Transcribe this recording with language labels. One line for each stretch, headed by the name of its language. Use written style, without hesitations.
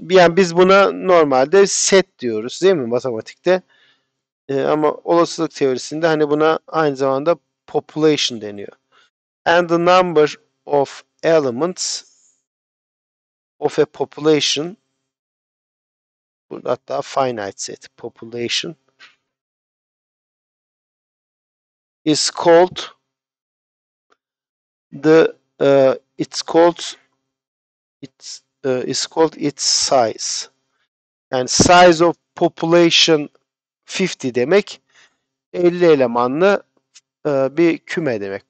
Turkish: Yani biz buna normalde set diyoruz, değil mi matematikte? Ama olasılık teorisinde hani buna aynı zamanda population deniyor.
English: And the number of elements of a population,
Turkish: burada hatta
English: finite set population is called the it's called its size.
Turkish: Yani
English: size of population
Turkish: 50 demek 50 elemanlı bir küme demek.